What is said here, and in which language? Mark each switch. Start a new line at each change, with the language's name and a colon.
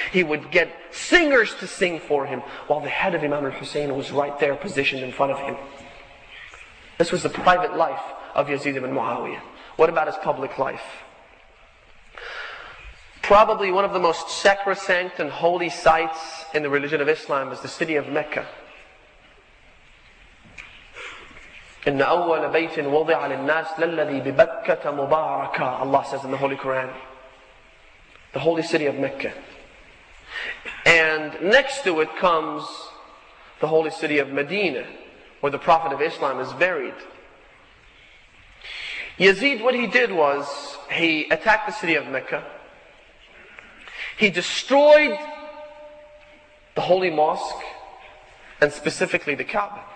English: He would get singers to sing for him while the head of Imam al-Hussein was right there positioned in front of him. This was the private life of Yazid ibn Muawiyah. What about his public life? Probably one of the most sacrosanct and holy sites in the religion of Islam is the city of Mecca.
Arabic: إِنَّ أَوَّلَ بَيْتٍ وَضِعَ لِلنَّاسِ لَلَّذِي بِبَكَّةَ مُبَارَكَةً
English: Allah says in the Holy Quran. The holy city of Mecca. And next to it comes the holy city of Medina, where the Prophet of Islam is buried. Yazid, what he did was, he attacked the city of Mecca. He destroyed the holy mosque, and specifically the Kaaba.